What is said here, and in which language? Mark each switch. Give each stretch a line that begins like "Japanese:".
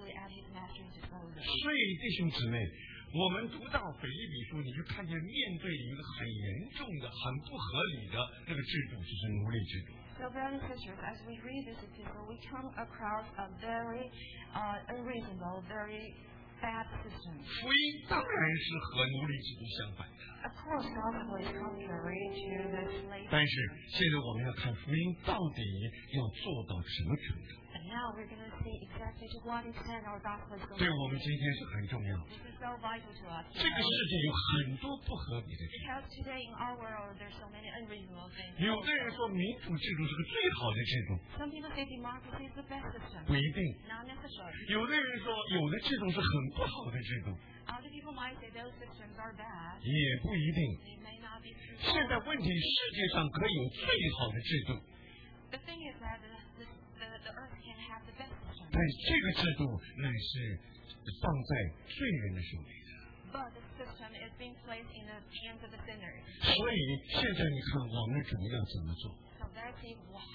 Chinese: 所以弟兄姊妹，我们读到腓立比书，你就看见面对一个很严重的、很不合理的这个制度，就是奴隶制度。
English: So brothers and sisters, as we read this epistle, we come across a very unreasonable, very bad system.
Chinese: 福音当然是和奴隶制度相反的。
English: Of course, gospel is contrary to the slave.
Chinese: 但是现在我们要看福音到底要做到什么程度。
English: Now we're going to see exactly to what extent our gospel is going to
Chinese: be. 对我们今天是很重要。
English: This is so vital to us.
Chinese: 这个世界有很多不合理的。
English: Because today in our world there's so many unreasonable things.
Chinese: 有的人说民主制度是个最好的制度。
English: Some people say democracy is the best system.
Chinese: 不一定。
English: Not necessarily.
Chinese: 有的人说有的制度是很不好的制度。
English: Other people might say those systems are bad.
Chinese: 也不一定。
English: They may not be true.
Chinese: 现在问题，世界上可以有最好的制度。
English: The thing is that the earth.
Chinese: 但是这个制度乃是放在罪人的手里的。所以现在你看我们的主要怎么做。